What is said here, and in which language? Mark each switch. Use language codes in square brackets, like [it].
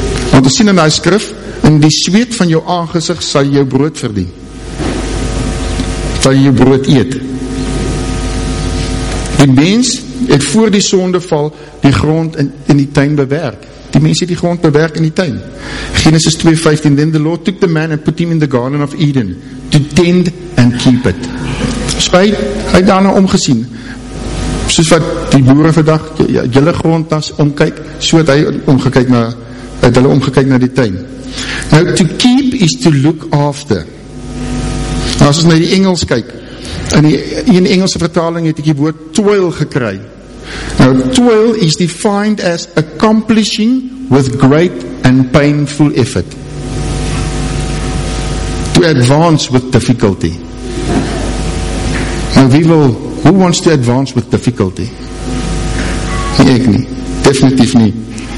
[af] Want ons sien in die skrif, in die sweet van jou aangesig sal jy jou brood verdien. Sal jy jou brood eet. Die mens het voor die sondeval die grond in die tuin bewerk. Die mens het die grond bewerk in die tuin. [en] Genesis 2:15, then the Lord took the man and put him in the garden of Eden to tend and keep it. [af] Hy het daarna omgesien, soos wat die boere vandag julle grond as omkyk, so het hy omgekyk na, het hulle omgekyk na die tuin. [en] Now to keep is to look after. [af] Nou, as ons na die Engels kyk, in die Engelse vertaling het ek die woord toil gekry. [en] Now toil is defined as accomplishing with great and painful effort, to advance with difficulty. Now, who wants to advance with difficulty? Definitely not.